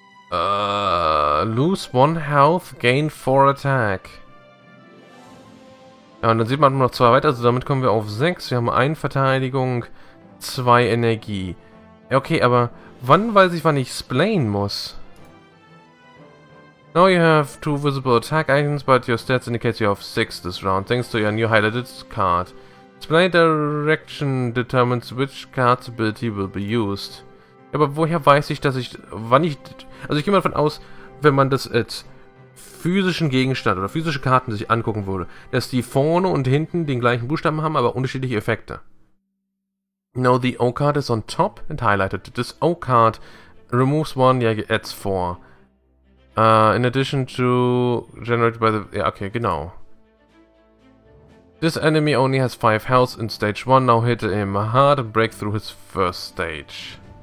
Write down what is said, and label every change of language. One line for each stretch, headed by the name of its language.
English: Lose 1 health, gain 4 attack.
German: Ja, und dann sieht man nur noch 2 weiter, also damit kommen wir auf 6. Wir haben 1 Verteidigung, 2 Energie. Okay, aber wann weiß ich, wann ich splayen muss?
English: Now you have 2 visible attack items, but your stats indicate you have 6 this round, thanks to your new highlighted card. Display direction determines which card's ability will be used.
German: Ja, aber woher weiß ich, dass ich, wann ich, also ich gehe mal davon aus, wenn man das als physischen Gegenstand oder physische Karten sich angucken würde, dass die vorne und hinten den gleichen Buchstaben haben, aber unterschiedliche Effekte.
English: Now the O card is on top and highlighted. This O card removes 1, yeah, adds 4. In addition to generated by the, yeah, okay, genau. This enemy only has 5 health in stage 1, now hit him hard and break through his first stage.